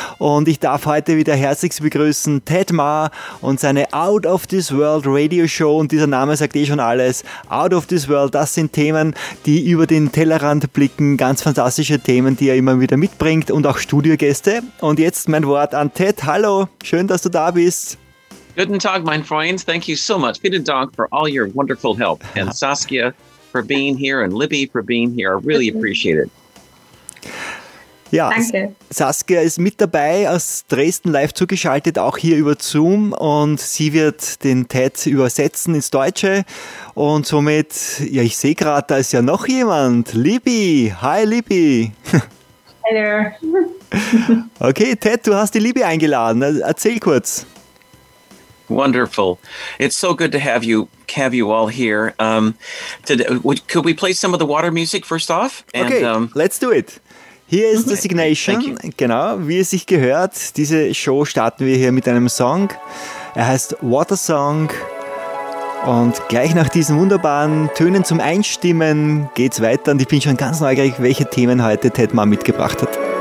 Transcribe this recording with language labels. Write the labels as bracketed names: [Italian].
[German] Und ich darf heute wieder herzlichst begrüßen Ted Marr und seine Out of This World Radio Show. Und dieser Name sagt eh schon alles. Out of This World. Das sind Themen, die über den Tellerrand blicken. Ganz fantastische Themen, die er immer wieder mitbringt und auch Studiogäste. Und jetzt mein Wort an Ted. Hallo, schön, dass du da bist. Guten Tag, mein Freund. [English] Thank you so much. [German] Vielen Dank [English] for all your wonderful help. And Saskia for being here and Libby for being here. I really appreciate it. [German] Ja, danke. Saskia ist mit dabei, aus Dresden live zugeschaltet, auch hier über Zoom, und sie wird den Ted übersetzen ins Deutsche. Und somit, ja, ich sehe gerade, da ist ja noch jemand. Libby, hi Libby. [English] Hello. [German] Okay, Ted, du hast die Libby eingeladen, erzähl kurz. [English] Wonderful. It's so good to have you all here. Today, could we play some of the water music first off? And, okay, let's do it. [German] Hier ist The Signation, genau, wie es sich gehört. Diese Show starten wir hier mit einem Song. Er heißt Water Song. Und gleich nach diesen wunderbaren Tönen zum Einstimmen geht's weiter. Und ich bin schon ganz neugierig, welche Themen heute Ted Marr mitgebracht hat.